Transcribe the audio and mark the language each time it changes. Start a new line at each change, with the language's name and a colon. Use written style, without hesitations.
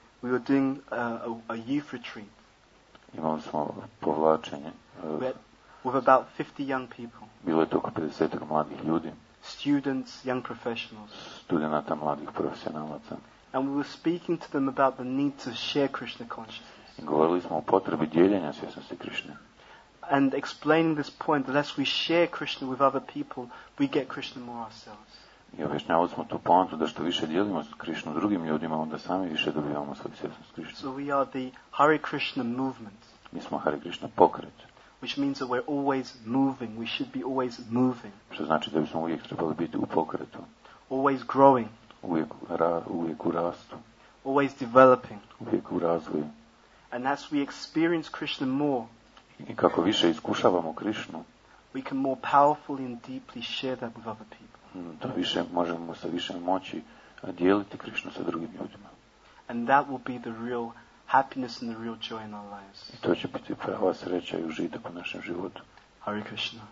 English: We were doing a youth retreat.
Croatian: Imali smo povlačenje.
English: With about 50 young people.
Croatian: Bilo je to oko 50 mladih ljudi.
English: Students, young professionals.
Croatian: Studenata, mladih profesionalaca.
English: And we were speaking to them about the need to share Krishna consciousness.
Croatian: I govorili smo o potrebi dijeljenja svjesnosti Krishne.
English: And explaining this point, unless we share Krishna with other people, we get Krishna more ourselves.
Croatian: I objašnjavali smo tu poantu da što više dijelimo Krishnu drugim ljudima, onda sami više dobivamo svoju svjesnost Krishne.
English: So we are the Hare Krishna movement.
Croatian: Mi smo Hare Krishna pokret.
English: Which means that we're always moving. We should be always moving.
Croatian: Što znači da bismo uvijek trebali biti u pokretu.
English: Always growing.
Croatian: Uvijek u rastu.
English: Always developing.
Croatian: Uvijek u razvoju.
English: And as we experience Krishna more.
Croatian: I kako više iskušavamo Krishnu.
English: We can more powerfully and deeply share that with other people.
Croatian: Da više možemo sa više moći dijeliti Krishnu sa drugim ljudima.
English: And that will be the real happiness and the real joy in our lives.
Croatian: I to će biti prava sreća i užitak u našem životu.
English: Hare Krishna.